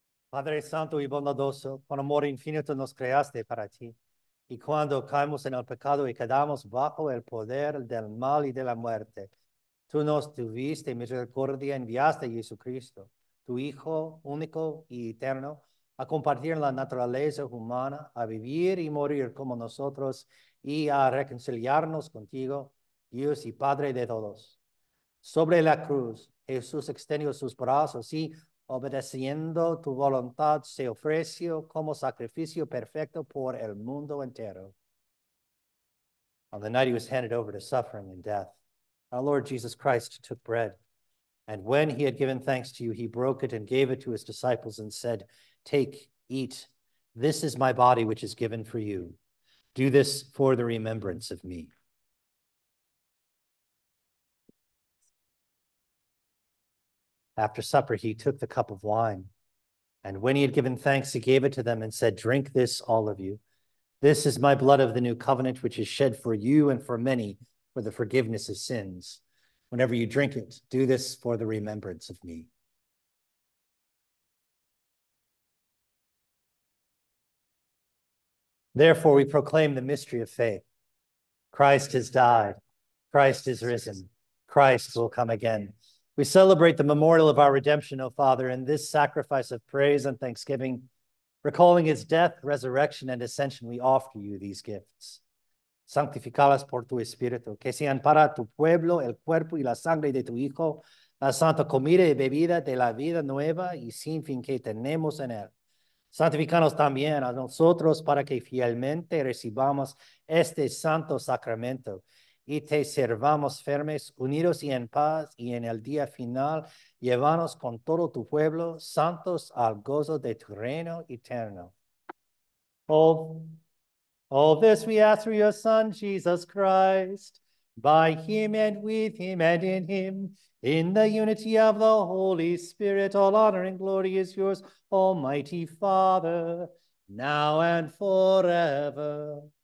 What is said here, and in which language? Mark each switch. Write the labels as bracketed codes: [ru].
[es] Padre Santo y bondadoso, con amor infinito nos creaste para ti, y cuando caemos en el pecado y quedamos bajo el poder del mal y de la muerte, tú nos tuviste misericordia, enviaste a Jesucristo, tu Hijo único y eterno, a compartir la naturaleza humana, a vivir y morir como nosotros y a reconciliarnos contigo, Dios y Padre de todos. Sobre la cruz, Jesús extendió sus brazos y, obedeciendo tu voluntad, se ofreció como sacrificio perfecto por el mundo entero. [en] On the night he was handed over to suffering and death, our Lord Jesus Christ took bread, and when he had given thanks to you, he broke it and gave it to his disciples and said, "Take, eat. This is my body, which is given for you. Do this for the remembrance of me." After supper, he took the cup of wine, and when he had given thanks, he gave it to them and said, "Drink this, all of you. This is my blood of the new covenant, which is shed for you and for many for the forgiveness of sins. Whenever you drink it, do this for the remembrance of me." Therefore, we proclaim the mystery of faith. Christ has died. Christ is risen. Christ will come again. We celebrate the memorial of our redemption, O Father, in this sacrifice of praise and thanksgiving. Recalling his death, resurrection, and ascension, we offer you these gifts. [es] Sanctificadas por tu Espíritu, que sean para tu pueblo el cuerpo y la sangre de tu Hijo, la santa comida y bebida de la vida nueva y sin fin que tenemos en él. Santificanos también a nosotros para que fielmente recibamos este santo sacramento y te servamos firmes, unidos y en paz, y en el día final, llévanos con todo tu pueblo, santos al gozo de tu reino eterno. [en] All this we ask through your Son, Jesus Christ, by him and with him and in him, in the unity of the Holy Spirit, all honor and glory is yours, Almighty Father, now and forever.